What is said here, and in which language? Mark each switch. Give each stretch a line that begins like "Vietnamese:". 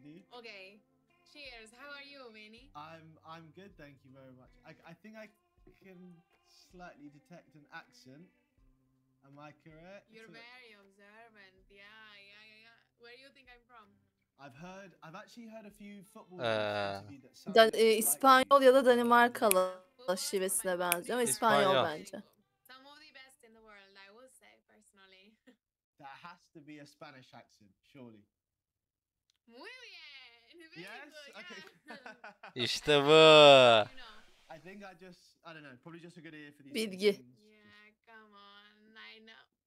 English: Okay. Cheers. How are you, Manny? I'm good, thank you very much. I think I can slightly detect an accent. Am I correct? You're very observant. Yeah. Where do you think I'm from? I've actually heard a few football
Turkish: İspanyol ya da Danimarkalı şivesine benziyor ama İspanyol bence.
English: Some of the best in the world, I will say personally. That has to be a Spanish accent, surely.
Spanish: Muy bien.
English: Very good. Yes. Okay.
Turkish: İşte bu.
English: I think I don't know, probably just a good ear for these.
Turkish: Bilgi.
English: Yeah, come on. I know.